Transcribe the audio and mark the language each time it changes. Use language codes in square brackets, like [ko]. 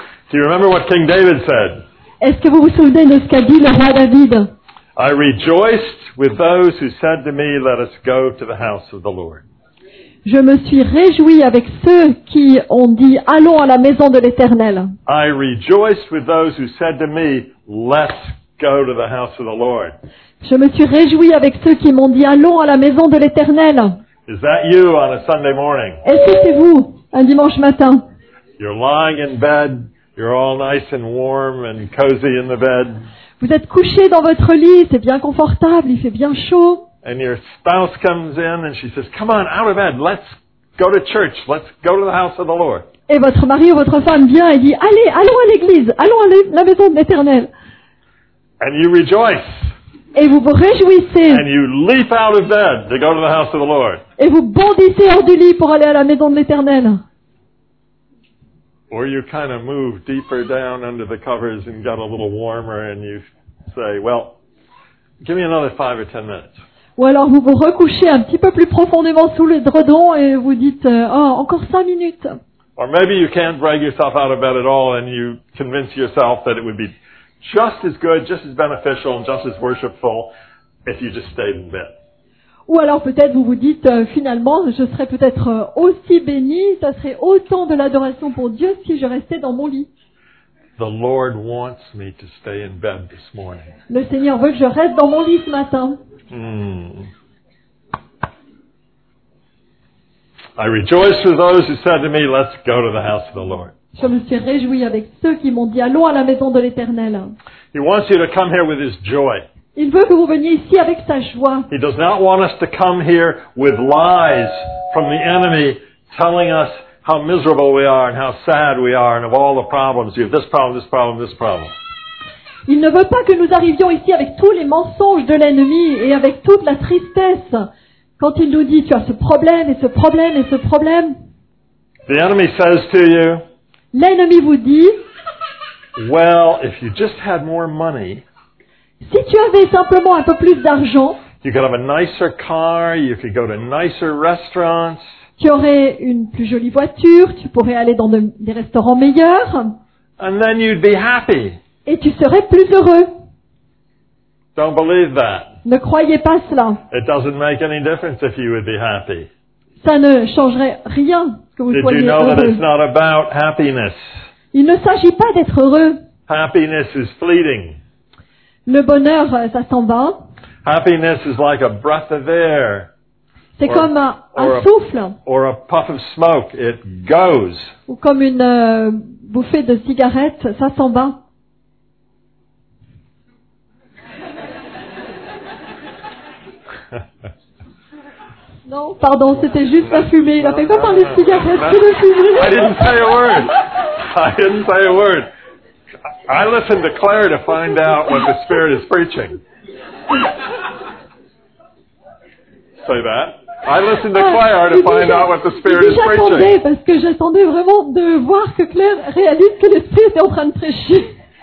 [en] Do you remember what King David said? [fr] Est-ce que vous vous souvenez de ce qu'a dit le roi David? [en] I rejoiced with those who said to me, "Let us go to the house of the Lord." [fr] Je me suis réjoui avec ceux qui ont dit, "Allons à la maison de l'Éternel." [en] I rejoiced with those who said to me, "Let's go to the house of the Lord." [fr] Je me suis réjoui avec ceux qui m'ont dit, "Allons à la maison de l'Éternel." [en] Is that you on a Sunday morning? [fr] Est-ce que c'est vous un dimanche matin? [en] You're lying in bed. You're all nice and warm and cozy in the bed. [fr] Vous êtes couché dans votre lit. C'est bien confortable. Il fait bien chaud. [en] And your spouse comes in and she says, "Come on, out of bed. Let's go to church. Let's go to the house of the Lord." [fr] Et votre mari ou votre femme vient et dit, "Allez, allons à l'église. Allons à la maison de l'Éternel." [en] And you rejoice. [fr] Et vous vous réjouissez. [en] And you leap out of bed to go to the house of the Lord. [fr] Et vous bondissez hors du lit pour aller à la maison de l'Éternel. [en] Or you kind of move deeper down under the covers and get a little warmer and you say, "Well, give me another 5 or 10 minutes." [fr] Ou alors vous vous recouchez un petit peu plus profondément sous le dredon et vous dites, "Oh, encore 5 minutes." [en] Or maybe you can't drag yourself out of bed at all and you convince yourself that it would be just as good, just as beneficial, and just as worshipful if you just stayed in bed. [fr] Ou alors peut-être vous vous dites, finalement, je serais peut-être aussi béni, ça serait autant de l'adoration pour Dieu si je restais dans mon lit. [en] The Lord wants me to stay in bed this morning. [fr] Le Seigneur veut que je reste dans mon lit ce matin. [en] I rejoice with those who said to me, "Let's go to the house of the Lord." [fr] Je me suis réjoui avec ceux qui m'ont dit, "Allons à la maison de l'Éternel." [en] He wants you to come here with his joy. [fr] Il veut que vous veniez ici avec sa joie. [en] He does not want us to come here with lies from the enemy telling us how miserable we are and how sad we are and of all the problems. You have this problem, this problem, this problem. [fr] Il ne veut pas que nous arrivions ici avec tous les mensonges de l'ennemi et avec toute la tristesse quand il nous dit, "Tu as ce problème et ce problème et ce problème." [en] The enemy says to you, [fr] l'ennemi vous dit, [en] "Well, if you just had more money, [fr] si tu avais simplement un peu plus d'argent, [en] you could have a nicer car, you could go to nicer restaurants, [fr] tu aurais une plus jolie voiture, tu pourrais aller dans des restaurants meilleurs, [en] and then you'd be happy." [fr] Et tu serais plus heureux. [en] Don't believe that. [fr] Ne croyez pas cela. [en] It doesn't make any difference if you would be happy. [fr] Ça ne changerait rien que vous [en] Did [fr] soyez [en] you know [fr] heureux. [en] That it's not about happiness? [fr] Il ne s'agit pas d'être heureux. [en] Happiness is fleeting. [fr] Le bonheur, ça s'en va. [en] Happiness is like a breath of air. [fr] C'est comme un souffle. [en] Or a puff of smoke. It goes. [fr] Ou comme une bouffée de cigarette, ça s'en va. Non, pardon, c'était juste la fumée. Il a fait comme des cigarettes, c'est le fumée. [en] I didn't say a word. I didn't say a word. I listened to Claire to find out what the Spirit is preaching. Say that. I listened to Claire to find out what the Spirit is preaching. [fr] J'attendais parce que j'attendais vraiment de voir que Claire réalise que l'Esprit était en train de prêcher.